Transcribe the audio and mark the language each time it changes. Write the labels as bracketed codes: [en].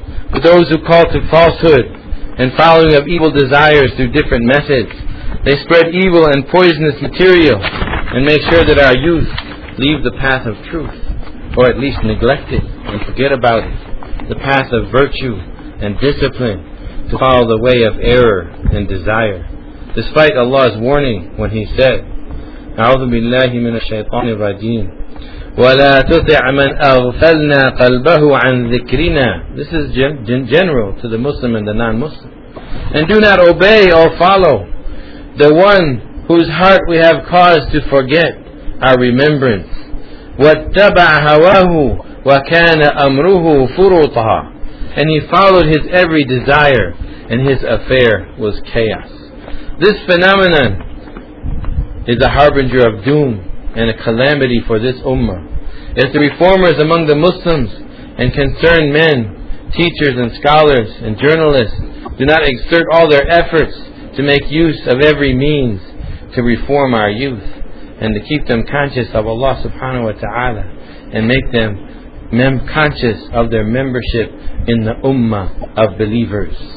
[en] But those who call to falsehood and following of evil desires through different methods, they spread evil and poisonous material and make sure that our youth leave the path of truth, or at least neglect it and forget about it, the path of virtue and discipline, to follow the way of error and desire, despite Allah's warning when He said, [ar] أعوذ بالله من الشيطان الرجيم ولا تطع من أغفلنا قلبه عن ذكرنا. [en] This is general to the Muslim and the non-Muslim. And do not obey or follow the one whose heart we have caused to forget our remembrance. [ar] واتبع هواه وكان أمره فرطا. [en] And he followed his every desire, and his affair was chaos. This phenomenon is a harbinger of doom and a calamity for this ummah. If the reformers among the Muslims and concerned men, teachers and scholars and journalists do not exert all their efforts to make use of every means to reform our youth and to keep them conscious of Allah subhanahu wa ta'ala and make them conscious of their membership in the ummah of believers,